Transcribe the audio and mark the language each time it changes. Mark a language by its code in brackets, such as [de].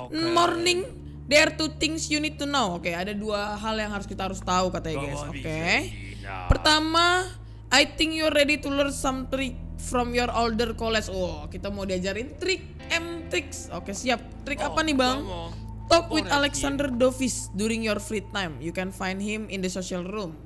[en] Morning, there are two things you need to know. [id] Oke, ada dua hal yang harus kita harus tahu katanya guys. Oke. [en] Pertama, I think you're ready to learn some trick from your older college. [id] Oh, kita mau diajarin trick M tricks. Oke, siap. Trick apa nih, Bang? [en] Talk with Alexander Dovis during your free time. You can find him in the social room.